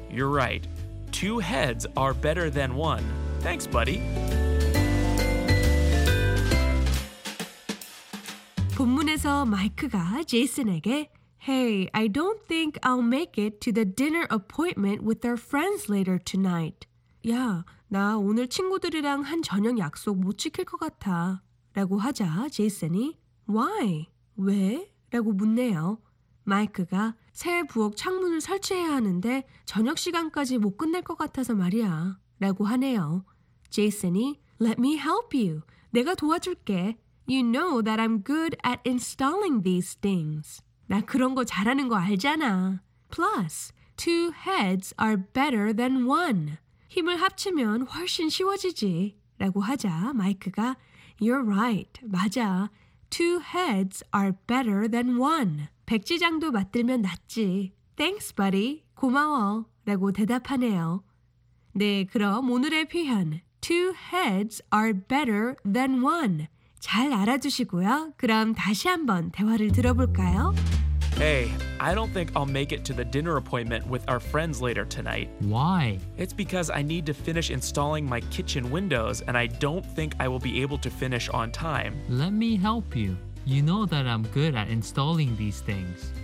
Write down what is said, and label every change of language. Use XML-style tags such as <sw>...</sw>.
<en>You're right. 2 heads are better than 1. Thanks, buddy.</en> <ko>본문에서 마이크가 제이슨에게</ko> <en>Hey, I don't think I'll make it to the dinner appointment with our friends later tonight.</en> <ko>야, 나 오늘 친구들이랑 한 저녁 약속 못 지킬 것 같아. 라고 하자 제이슨이</ko> <en>Why?</en> <ko>왜? 라고 묻네요. 마이크가 새 부엌 창문을 설치해야 하는데 저녁 시간까지 못 끝낼 것 같아서 말이야 라고 하네요.</ko> <en>제이슨이 Let me help you.</en> <ko>내가 도와줄게.</ko> <en>You know that I'm good at installing these things.</en> <ko>나 그런 거 잘하는 거 알잖아.</ko> <en>Plus, 2 heads are better than 1.</en> <ko>힘을 합치면 훨씬 쉬워지지 라고 하자 마이크가</ko> <en>You're right.</en> <ko>맞아.</ko> <en>2 heads are better than 1.</en> <ko>백지장도 맞들면 낫지.</ko> <en>Thanks, buddy.</en> <ko>고마워. 라고 대답하네요. 네, 그럼 오늘의 표현</ko> <en>Two heads are better than one.</en> <ko>잘 알아두시고요. 그럼 다시 한번 대화를 들어볼까요?</ko> <en>Hey, I don't think I'll make it to the dinner appointment with our friends later tonight. Why? It's because I need to finish installing my kitchen windows and I don't think I will be able to finish on time. Let me help you. You know that I'm good at installing these things.</en>